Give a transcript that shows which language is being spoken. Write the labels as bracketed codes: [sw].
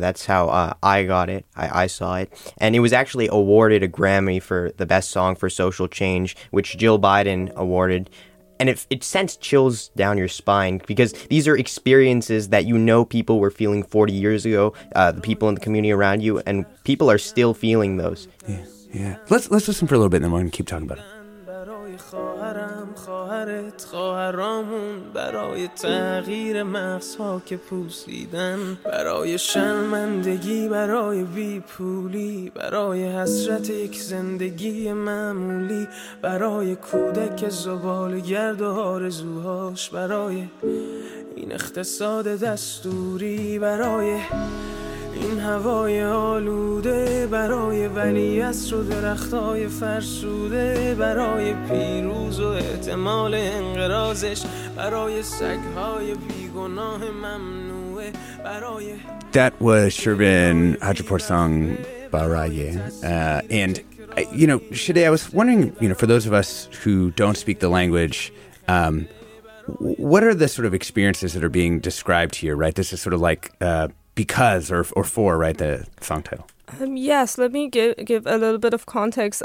[en] That's how I got it. I saw it. And it was actually awarded a Grammy for the best song for social change, which Jill Biden awarded. And it sends chills down your spine because these are experiences that you know people were feeling 40 years ago, the people in the community around you, and people are still feeling those. Yeah. Let's listen for a little bit, and then we'll keep talking about it. [fa] خواهرم خواهرت خواهرامون برای تغییر مغزها که پوسیدن برای شرمندگی برای بیپولی برای حسرت یک زندگی معمولی برای کودک زبال گرد و آرزوهاش برای این اقتصاد دستوری برای این هوای آلوده برای ولیعصر و درختای فرسوده برای پیروز و احتمال انقراضش برای سگهای بیگناه ممنوعه برای [en] That was Shervin Hajipour's song Baraye. And you know, Shade, I was wondering, you know, for those of us who don't speak the language, what are the sort of experiences that are being described here, right? This is sort of like because or for, right, the song title. Yes, let me give a little bit of context.